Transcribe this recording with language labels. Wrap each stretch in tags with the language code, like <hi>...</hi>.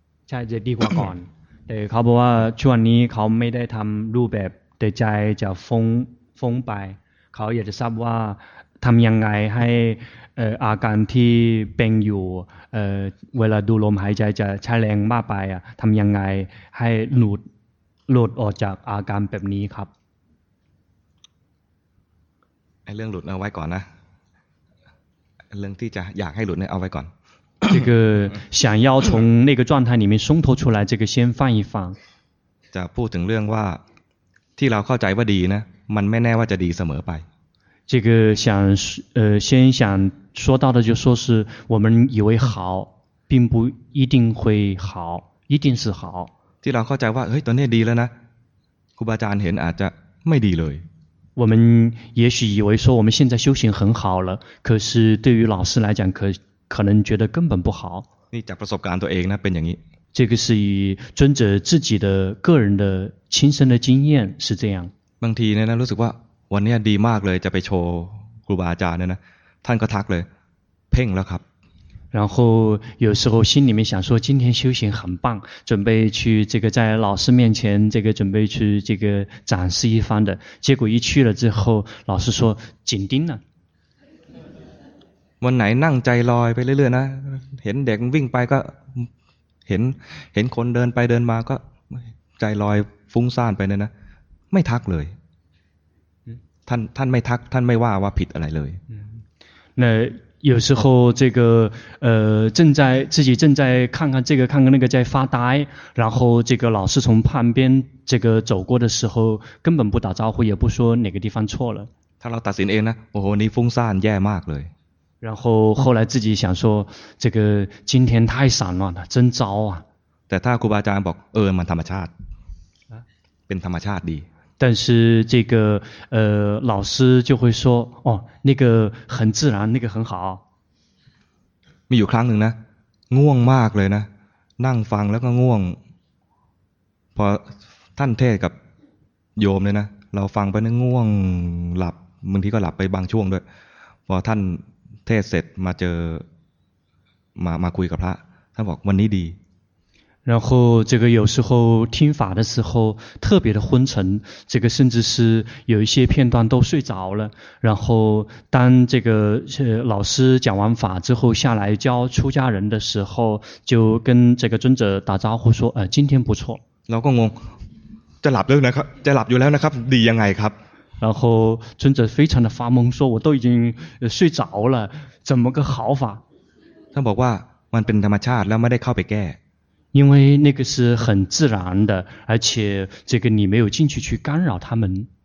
<th>ใช่จะดีกว่าก่อน แต่เขาบอกว่าช่วงนี้เขาไม่ได้ทำรูปแบบแต่ใจจะฟุ้งไปเขาอยากจะทราบว่าทำยังไงให้อาการที่เป็นอยู่เวลาดูลมหายใจจะใช้แรงมากไปอ่ะทำยังไงให้หลุดออกจากอาการแบบนี้ครับ ไอ้เรื่องหลุดเอาไว้ก่อนนะเรื่องที่จะอยากให้หลุดเนี่ยเอาไว้ก่อน</th> <zh>这个想要从那个状态里面松脱出来这个先放一放</zh> <th>จะพูดถึงเรื่องว่าที่เราเข้าใจว่าดีนะมันไม่แน่ว่าจะดีเสมอไป</th> <zh>这个想先想说到的就是说是我们以为好并不一定会好一定是好</zh> <th>ที่เราเข้าใจว่าเฮ้ยตอนนี้ดีแล้วนะครูบาอาจารย์เห็นอาจจะไม่ดีเลย</th> <zh>我们也许以为说我们现在修行很好了可是对于老师来讲可能觉得根本不好</zh> <th>นี่จากประสบการณ์ตัวเองนะเป็นอย่างนี้</th> <zh>这个是以尊者自己的个人的亲身的经验是这样</zh> <th>บางทีเนี่ยนะรู้สึกว่าวันนี้ดีมากเลยจะไปโชว์ครูบาอาจารย์เนี่ยนะท่านก็ทักเลยเพ่งแล้วครับ</th> <zh>然后有时候心里面想说今天修行很棒准备去这个在老师面前这个准备去这个展示一番的结果一去了之后老师说紧盯呢</zh> <th>วันไหนนั่งใจลอยไปเรื่อยๆนะเห็นเด็กวิ่งไปก็เห็นคนเดินไปเดินมาก็ใจลอยฟุ้งซ่านไปเนี่ยนะไม่ทักเลยท่านไม่ทักท่านไม่ว่าว่าผิดอะไรเลย</th> <zh>那有时候这个正在自己正在看看这个看看那个在发呆然后这个老师从旁边这个走过的时候根本不打招呼也不说哪个地方错了</zh> <th>ถ้าเราตัดสินเองนะโอ้โหนี่ฟุ้งซ่านแย่มากเลย</th> <zh>然后后来自己想说这个今天太散乱了真糟啊</zh> <th>แต่ถ้าครูบาอาจารย์บอกมันธรรมชาติเป็นธรรมชาติดี</th> <zh>但是这个老师就会说哦那个很自然那个很好</zh> <th>มีอยู่ครั้งหนึ่งนะง่วงมากเลยนะนั่งฟังแล้วก็ง่วงพอท่านเทศกับโยมเลยนะเราฟังไปนะง่วงหลับบางทีก็หลับไปบางช่วงด้วยพอท่านเทศเสร็จมาเจอมาคุยกับพระท่านบอกวันนี้ดี</th> <zh>然后这个有时候听法的时候特别的昏沉这个甚至是有一些片段都睡着了然后当这个老师讲完法之后下来教出家人的时候就跟这个尊者打招呼说今天不错老公公</zh> <th>จะหลับแล้วนะครับจะหลับอยู่แล้วนะครับดียังไงครับ</th> <zh>然后尊者非常的发懵说我都已经睡着了怎么个好法他</zh> <th>บอกว่ามันเป็นธรรมชาติแล้วไม่ได้เข้าไปแก้</th> <zh>因为那个是很自然的而且这个你没有进去干扰他们</zh>